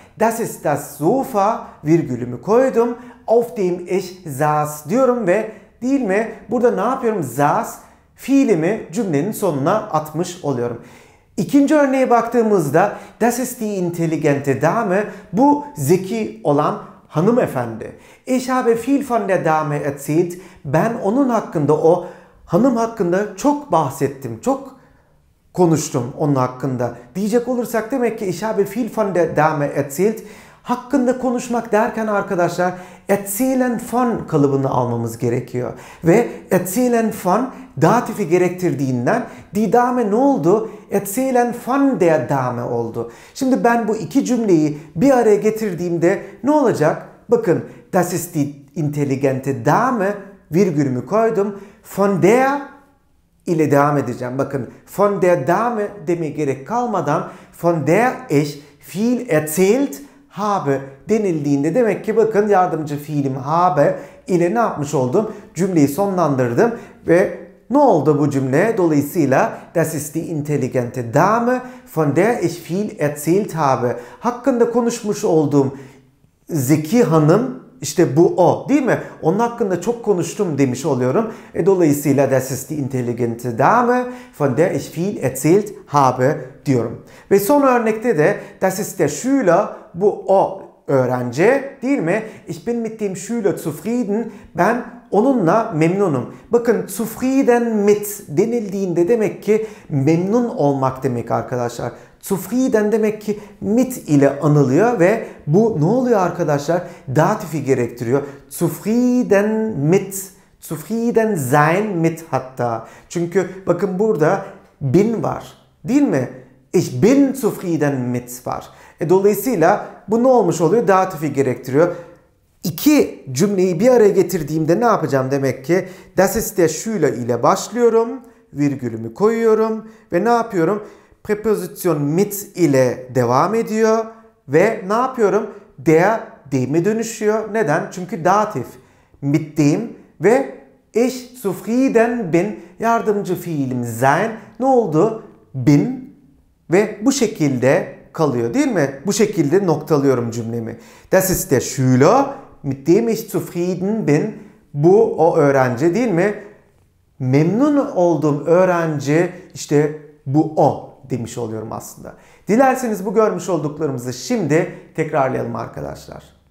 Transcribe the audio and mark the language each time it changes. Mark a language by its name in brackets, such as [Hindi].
[German] Das ist das Sofa [Turkish] virgülümü koydum. [German] Auf dem ich saß [Turkish] diyorum ve değil mi? Burada ne yapıyorum? Saß fiilimi cümlenin sonuna atmış oluyorum. İkinci örneğe baktığımızda [German] das ist die intelligente Dame, [Turkish] bu zeki olan hanımefendi. [German] Ich habe viel von der Dame erzählt. [Turkish] Ben onun hakkında, o hanım hakkında çok bahsettim. Çok konuştum onun hakkında. Diyecek olursak demek ki [German] ich habe viel von der Dame erzählt. [Turkish] Hakkında konuşmak derken arkadaşlar erzählen von kalıbını almamız gerekiyor. Ve erzählen von datifi gerektirdiğinden die Dame ne oldu? [German] Erzählen von der Dame [Turkish] oldu. Şimdi ben bu iki cümleyi bir araya getirdiğimde ne olacak? [German] Bakın das ist die intelligente Dame [Turkish] virgülümü koydum. Von der ile devam edeceğim. [German] Bakın von der Dame [Turkish] demeye gerek kalmadan [German] von der ich viel erzählt [Turkish] habe denildiğinde demek ki bakın yardımcı fiilim habe ile ne yapmış oldum? Cümleyi sonlandırdım ve ne oldu bu cümle? Dolayısıyla [German] das ist die intelligente Dame von der ich viel erzählt habe. [Turkish] Hakkında konuşmuş olduğum zeki hanım işte bu o değil mi? Onun hakkında çok konuştum demiş oluyorum. Dolayısıyla [German] das ist die intelligente Dame von der ich viel erzählt habe [Turkish] diyorum. Ve son örnekte de [German] das ist der Schüler [Turkish] bu o öğrenci değil mi? [German] Ich bin mit dem Schüler zufrieden. [Turkish] Ben onunla memnunum. Bakın zufrieden mit denildiğinde demek ki memnun olmak demek arkadaşlar. Zufrieden demek ki mit ile anılıyor ve bu ne oluyor arkadaşlar? Datifi gerektiriyor. Zufrieden mit. Zufrieden sein mit hatta. Çünkü bakın burada bin var. Değil mi? [German] Ich bin zufrieden mit [Turkish] var. Dolayısıyla bu ne olmuş oluyor? Datifi gerektiriyor. İki cümleyi bir araya getirdiğimde ne yapacağım demek ki? [German] Das ist der Schüler [Turkish] ile başlıyorum. Virgülümü koyuyorum. Ve ne yapıyorum? Präposition mit ile devam ediyor. Ve ne yapıyorum? Der, dem'e dönüşüyor. Neden? Çünkü datif. [German] Mit dem [Turkish] ve [German] ich zufrieden bin. [Turkish] Yardımcı fiilim sein. Ne oldu? Bin. Ve bu şekilde kalıyor değil mi? Bu şekilde noktalıyorum cümlemi. [German] Das ist der Schüler, mit dem ich zufrieden bin. [Turkish] Bu o öğrenci değil mi? Memnun olduğum öğrenci işte bu o demiş oluyorum aslında. Dilerseniz bu görmüş olduklarımızı şimdi tekrarlayalım arkadaşlar.